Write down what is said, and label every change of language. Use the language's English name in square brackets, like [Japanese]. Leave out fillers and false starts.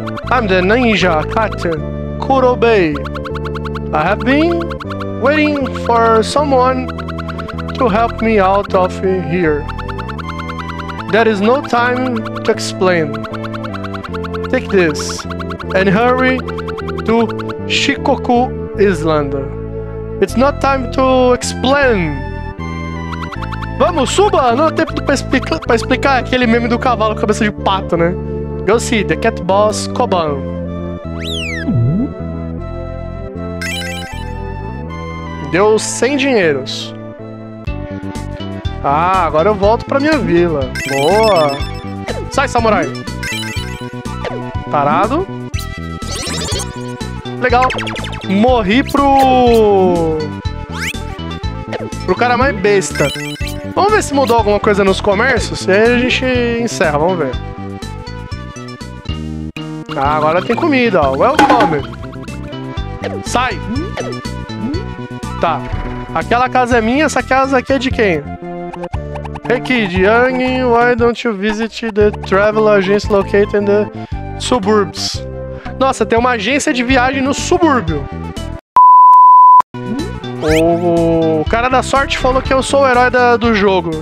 [English] I'm the ninja captain Kurobei. I have been waiting for someone to help me out of here. There is no time to explain. Take this and hurry to Shikoku Island. It's not time to explain. [Portuguese] Vamos, suba! Não há tempo pra explicar aquele meme do cavalo com cabeça de pato, né? [English] Go see the cat boss Koban. [Portuguese] Deu 100 dinheiros. Ah, agora eu volto pra minha vila. Boa! Sai, samurai! Tarado. Legal. Morri pro cara mais besta. Vamos ver se mudou alguma coisa nos comércios. E aí a gente encerra, vamos ver. Ah, agora tem comida, ó. Welcome. Sai. Tá. Aquela casa é minha, essa casa aqui é de quem? [English] Hey kid, young, why don't you visit the travel agency located in the suburbs? [Portuguese] Nossa, tem uma agência de viagem no subúrbio. O cara da sorte falou que eu sou o herói do jogo.